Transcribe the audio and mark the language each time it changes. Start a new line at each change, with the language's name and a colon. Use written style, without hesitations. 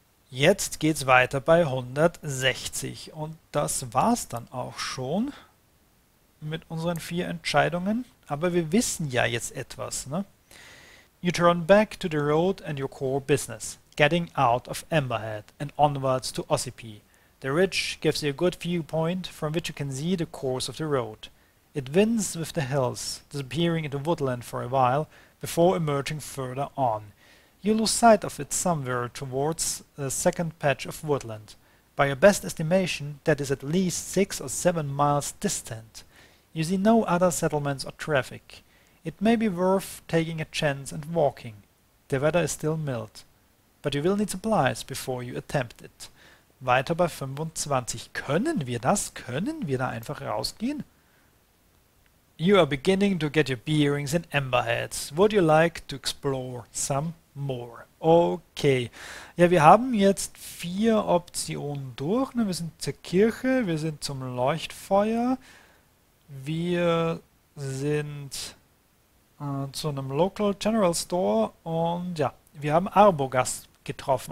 German: Jetzt geht's weiter bei 160 und das war's dann auch schon mit unseren 4 Entscheidungen. Aber wir wissen ja jetzt etwas, ne?
English: You turn back to the road and your core business, getting out of Amberhead and onwards to Ossipee. The ridge gives you a good viewpoint from which you can see the course of the road. It winds with the hills, disappearing into woodland for a while before emerging further on. You lose sight of it somewhere towards the second patch of woodland. By your best estimation, that is at least 6 or 7 miles distant. You see no other settlements or traffic. It may be worth taking a chance and walking. The weather is still mild. But you will need supplies before you attempt it.
German: Weiter bei 25. Können wir das? Können wir da einfach rausgehen?
English: You are beginning to get your bearings in Amberheads. Would you like to explore some more?
German: Okay. Ja, wir haben jetzt vier Optionen durch. Ne? Wir sind zur Kirche, wir sind zum Leuchtfeuer, wir sind zu einem Local General Store und ja, wir haben Arbogast getroffen.